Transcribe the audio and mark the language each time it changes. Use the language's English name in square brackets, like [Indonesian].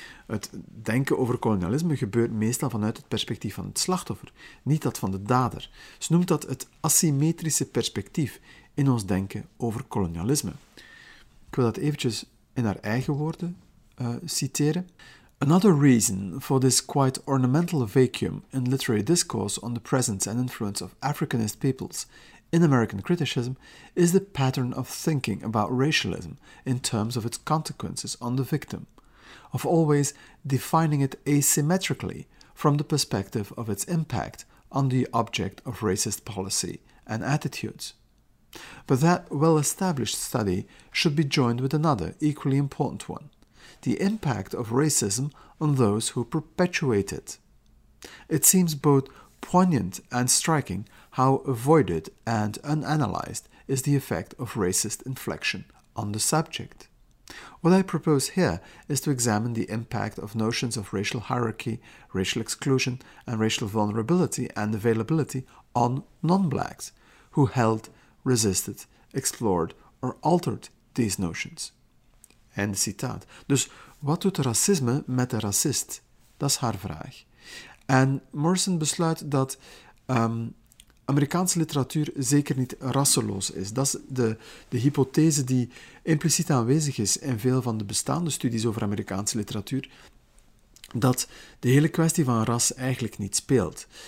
[Dutch] Het denken over kolonialisme gebeurt meestal vanuit het perspectief van het slachtoffer, niet dat van de dader. Ze noemt dat het asymmetrische perspectief in ons denken over kolonialisme. Ik wil dat eventjes in haar eigen woorden citeren. [English] Another reason for this quite ornamental vacuum in literary discourse on the presence and influence of Africanist peoples in American criticism is the pattern of thinking about racialism in terms of its consequences on the victim, of always defining it asymmetrically from the perspective of its impact on the object of racist policy and attitudes. But that well-established study should be joined with another equally important one, the impact of racism on those who perpetuate it. It seems both poignant and striking how avoided and unanalyzed is the effect of racist inflection on the subject. What I propose here is to examine the impact of notions of racial hierarchy, racial exclusion, and racial vulnerability and availability on non-blacks who held, resisted, explored, or altered these notions. [Dutch] End citaat. Dus wat doet racisme met de racist? Dat is haar vraag. En Morrison besluit dat Amerikaanse literatuur zeker niet rasseloos is. Dat is de hypothese die impliciet aanwezig is in veel van de bestaande studies over Amerikaanse literatuur, dat de hele kwestie van ras eigenlijk niet speelt.